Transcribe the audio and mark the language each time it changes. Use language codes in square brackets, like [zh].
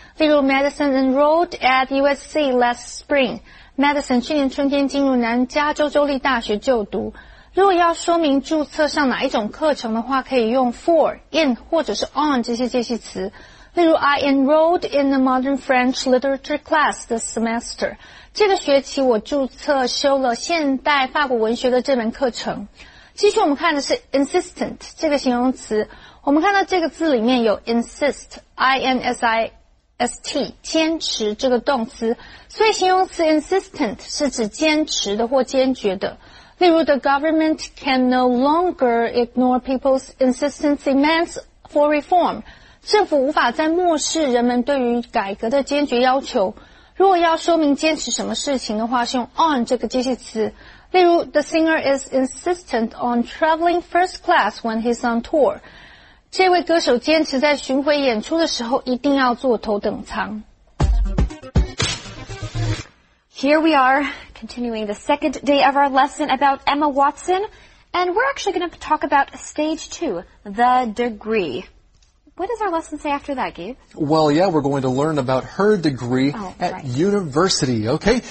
[zh] 例如 [en] Madison enrolled at USC last spring. [zh] Madison 去年春天进入南加州州立大学就读。如果要说明注册上哪一种课程的话可以用 for, in, 或者是 on 这些介系词。例如 [en] I enrolled in the modern French literature class this semester. [zh] 这个学期我注册修了现代法国文学的这门课程。继续我们看的是 insistent 这个形容词。我们看到这个字里面有 insist, I-N-S-I-S-T, 坚持这个动词。所以形容词 insistent 是指坚持的或坚决的。例如 [en] the government can no longer ignore people's insistent demands for reform. [zh] 政府无法再漠视人们对于改革的坚决要求。如果要说明坚持什么事情的话是用 on 这个介系词。例如 [en] The singer is insistent on traveling first class when he's on tour. [zh] 这位歌手坚持在巡回演出的时候一定要坐头等舱。 [en] Here we are, continuing the second day of our lesson about Emma Watson. And we're actually going to talk about stage two, the degree. What does our lesson say after that, Gabe? Well, yeah, we're going to learn about her degree university, okay?